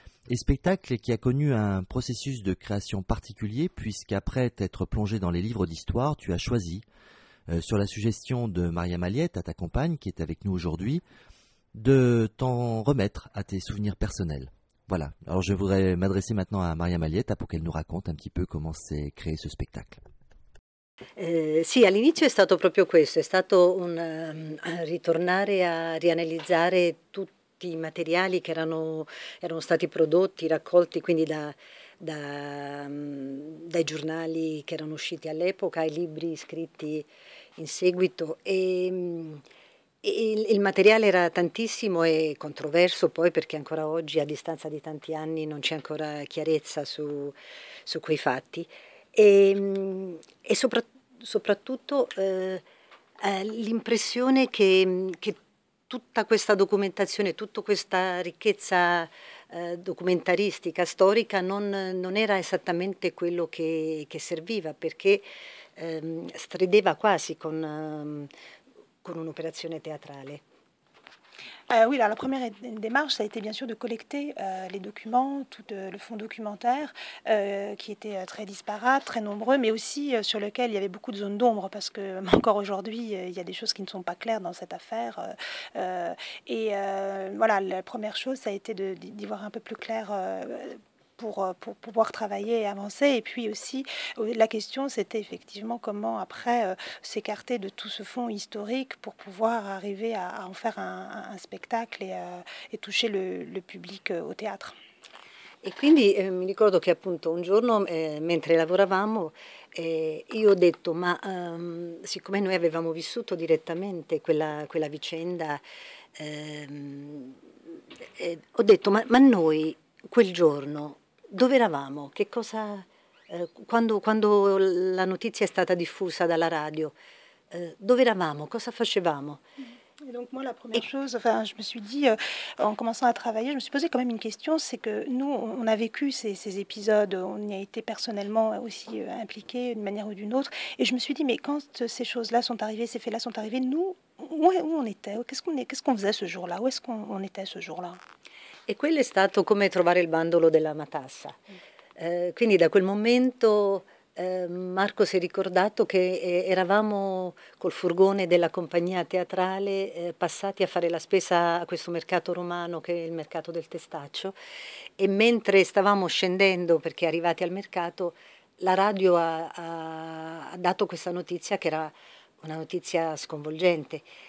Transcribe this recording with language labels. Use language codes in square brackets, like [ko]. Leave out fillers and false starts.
[fr] Et spectacle qui a connu un processus de création particulier, puisqu'après t'être plongé dans les livres d'histoire, tu as choisi, sur la suggestion de Maria Maliette, à ta compagne, qui est avec nous aujourd'hui, de t'en remettre à tes souvenirs personnels. Voilà. Alors je voudrais m'adresser maintenant à Maria Maliette pour qu'elle nous raconte un petit peu comment s'est créé ce spectacle. [it] Sì, all'inizio è stato proprio questo. È stato un ritornare a rianalizzare tutti i materiali che erano stati prodotti, raccolti, quindi dai giornali che erano usciti all'epoca, ai libri scritti in seguito, e il materiale era tantissimo e controverso, poi perché ancora oggi, a distanza di tanti anni, non c'è ancora chiarezza su quei fatti, e soprattutto l'impressione che tutta questa documentazione, tutta questa ricchezza documentaristica, storica, non era esattamente quello che serviva, perché strideva quasi con un'operazione teatrale. [fr] Oui, alors la première démarche, ça a été bien sûr de collecter les documents, tout le fonds documentaire qui était très disparate, très nombreux, mais aussi sur lequel il y avait beaucoup de zones d'ombre, parce que encore aujourd'hui, il y a des choses qui ne sont pas claires dans cette affaire. Voilà, la première chose, ça a été d'y voir un peu plus clair. Pour pouvoir travailler et avancer. Et puis aussi, la question, c'était effectivement comment, après, s'écarter de tout ce fond historique pour pouvoir arriver à en faire un spectacle et toucher le public au théâtre. [it] Et quindi, mi ricordo che appunto un giorno, mentre lavoravamo, io ho detto, ma siccome noi avevamo vissuto direttamente quella vicenda, ho detto, ma noi, quel giorno, dove eravamo? Che cosa? Quando la notizia è stata diffusa dalla radio, dove eravamo? Cosa facevamo? [fr] Et donc moi, la première chose, enfin, je me suis dit, en commençant à travailler, je me suis posé quand même une question, c'est que nous, on a vécu ces épisodes, on y a été personnellement aussi impliqués d'une manière ou d'une autre, et je me suis dit, mais quand ces choses-là sont arrivées, ces faits-là sont arrivés, nous, où on était? Qu'est-ce qu'on faisait ce jour-là? Où est-ce qu'on était ce jour-là? [it] E quello è stato come trovare il bandolo della matassa. Quindi da quel momento Marco si è ricordato che eravamo col furgone della compagnia teatrale passati a fare la spesa a questo mercato romano, che è il mercato del testaccio, e mentre stavamo scendendo, perché arrivati al mercato, la radio ha dato questa notizia, che era una notizia sconvolgente.